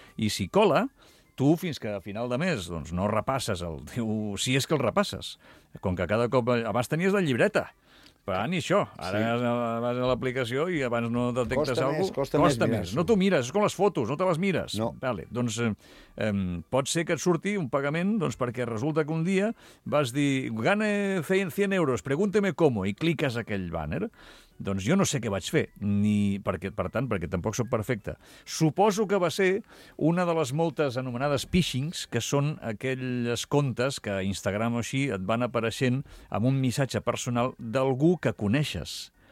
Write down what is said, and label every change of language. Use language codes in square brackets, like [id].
[ca] I si cola... Tu, fins que a final de mes, doncs, no repasses el teu... Si és que el repasses. Com que cada cop... Abans tenies la llibreta. Però ni això. Ara vas a l'aplicació i abans no detectes alguna cosa... Costa més. No t'ho mires. És com les fotos. No te les mires. No. Vale. Doncs pot ser que et surti un pagament doncs, perquè resulta que un dia vas dir... [es] Gane 100 euros, pregúnteme cómo. [ca] I cliques aquell banner... Doncs jo no sé què vaig fer, ni perquè, per tant, perquè tampoc sóc perfecte. Suposo que va ser una de les moltes anomenades phishings, que són aquelles comptes que a Instagram o així et van apareixent amb un missatge personal d'algú que coneixes.